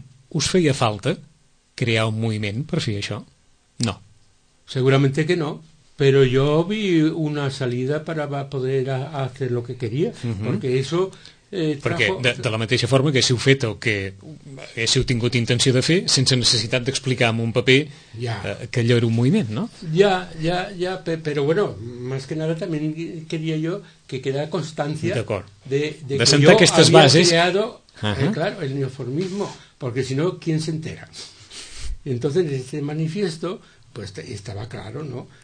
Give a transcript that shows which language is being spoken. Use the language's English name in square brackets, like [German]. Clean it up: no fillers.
[Catalan] Us feia falta crear un moviment per fer això? No. [Spanish] Seguramente que no. Pero yo vi una salida para poder hacer lo que quería, porque eso trajo... [Catalan] Perquè de la mateixa forma que haguéssiu fet o que haguéssiu tingut intenció de fer, sense necessitat d'explicar en un paper que allò era un moviment, no? Ja, [Spanish] pero bueno, más que nada también quería yo que quedara constancia de que yo [Catalan] aquestes [Spanish] había bases... creado, claro, el neoformismo, porque si no, ¿quién se entera? Entonces, este manifiesto, pues estaba claro, ¿no?